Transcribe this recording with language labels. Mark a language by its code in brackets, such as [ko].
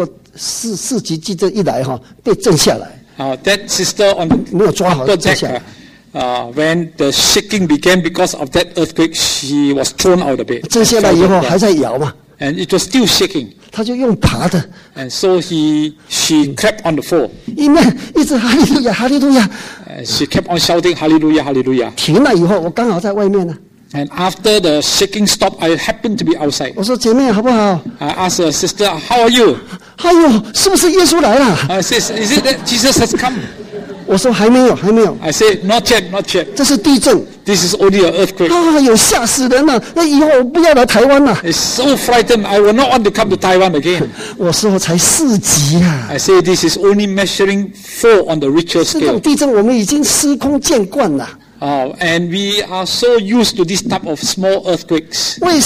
[zh] 那么姐妹跨上去要到顶上去睡觉，结果四级地震一来被震下来。 [en] That sister on the upper deck, when the shaking began because of that earthquake, she was thrown out of bed. [zh] 震下来以后还在摇嘛。 [en] And it was still shaking. [zh] 他就用爬的。 [en] And so she kept on the floor. [zh] 一直 [en] Hallelujah, Hallelujah. She kept on shouting Hallelujah, Hallelujah. [zh] 停了以后，我刚好在外面呢。 [en] And after the shaking stopped, I happened to be outside. [zh] 我说姐妹好不好？ [en] I asked her sister, How are you? [zh] 哎呦，是不是耶稣来了？ [en] I said, Is it that Jesus has come? [zh] 我说还没有。 [en] I said, Not yet. [zh] 这是地震。 [en] This is only an earthquake. [zh] 啊，有吓死人了！那以后我不要来台湾了。 [en] It's so frightened. I will not want to come to Taiwan again. [zh] 我说才四级啊。 [en] I say this is only measuring 4 on the Richter scale. [zh] 这种地震我们已经司空见惯了。 [en] And we are so used to this type of small earthquakes.